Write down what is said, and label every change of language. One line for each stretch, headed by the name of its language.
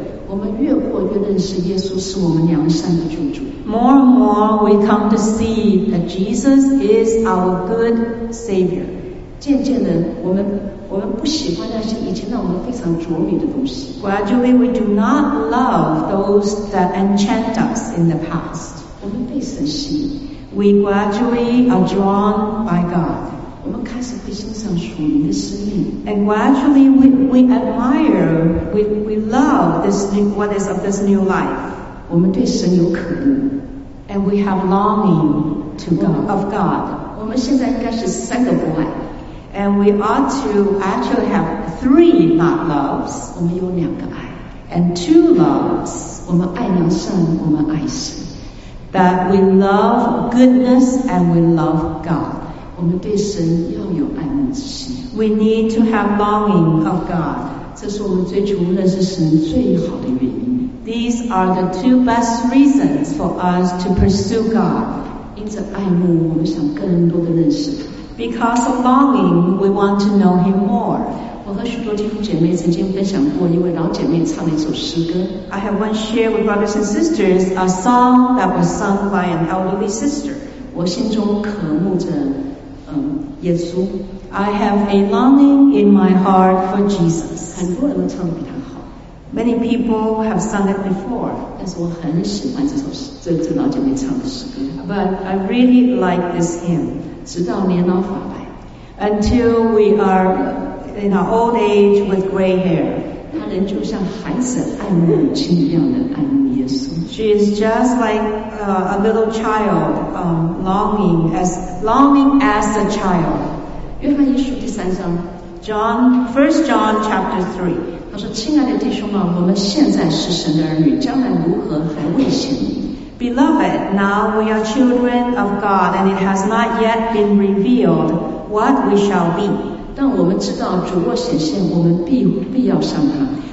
Chinese: 我们越活越认识耶稣是我们良善的救主。
English: More and more we come to see that Jesus is our good Savior.
Chinese: 渐渐的我们不喜欢那些以前让我们非常着迷的东西。
English: Gradually we do not love those that enchant us in the past.
Chinese: 我们被神吸引。
English: We gradually are drawn by God.
Chinese: 我们开始会欣赏属灵的生命
English: ，and gradually we love this new, what is of this new life.
Chinese: 我们对神有渴慕
English: ，and we have longing to God of God.
Chinese: 我们现在应该是三个不爱
English: ，and we ought to actually have three not loves.
Chinese: 我们有两个爱
English: ，and two loves.
Chinese: 我们爱良善，我们爱神
English: ，that we love goodness and we love God.
Chinese: 我们对神要有爱慕之心。
English: We need to have longing of God.
Chinese: 这是我们追求认识神最好的原因。
English: These are the two best reasons for us to pursue God.
Chinese: 因着爱慕，我们想更多的认识他。
English: Because of longing, we want to know him more.
Chinese: 我和许多弟兄姐妹曾经分享过，一位老姐妹唱了一首诗歌。
English: I have once shared with brothers and sisters a song that was sung by an elderly sister.
Chinese: 我心中渴慕着，耶稣。
English: I have a longing in my heart for Jesus.
Chinese: 很多人都唱得比他好。
English: Many people have sung it before.
Chinese: 但是我很喜欢这老姐妹唱的诗歌。
English: But I really like this hymn.
Chinese: 直到年老发白
English: ，until we are in our old age with gray hair，
Chinese: 他仍旧像孩子爱慕母亲一样的爱慕耶稣。
English: She is just like a little child, longing as a child。
Chinese: 约翰一书第三章
English: ，John First John Chapter Three，
Chinese: 他说：“亲爱的弟兄们，我们现在是神的儿女，将来如何还未显明。”
English: Beloved, now we are children of God, and it has not yet been revealed what we shall be.
Chinese: 但我们知道主若显现，我们必要像他。